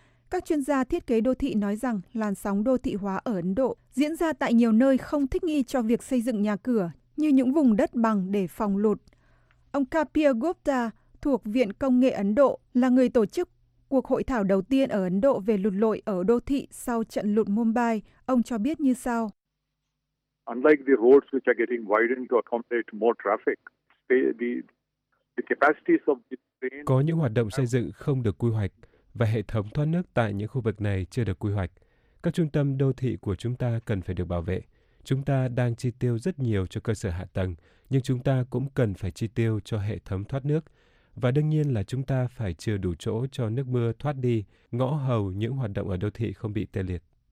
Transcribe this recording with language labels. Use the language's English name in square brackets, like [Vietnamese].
[Vietnamese] Các chuyên gia thiết kế đô thị nói rằng làn sóng đô thị hóa ở Ấn Độ diễn ra tại nhiều nơi không thích nghi cho việc xây dựng nhà cửa, như những vùng đất bằng để phòng lụt. Ông Kapil Gupta thuộc Viện Công nghệ Ấn Độ là người tổ chức cuộc hội thảo đầu tiên ở Ấn Độ về lụt lội ở đô thị sau trận lụt Mumbai. Ông cho biết như sau. [English] Unlike the roads which are getting widened to accommodate more traffic, the capacities of the train... [Vietnamese] Có những hoạt động xây dựng không được quy hoạch và hệ thống thoát nước tại những khu vực này chưa được quy hoạch. Các trung tâm đô thị của chúng ta cần phải được bảo vệ. Chúng ta đang chi tiêu rất nhiều cho cơ sở hạ tầng, nhưng chúng ta cũng cần phải chi tiêu cho hệ thống thoát nước. Và đương nhiên là chúng ta phải chừa đủ chỗ cho nước mưa thoát đi, ngõ hầu những hoạt động ở đô thị không bị tê liệt.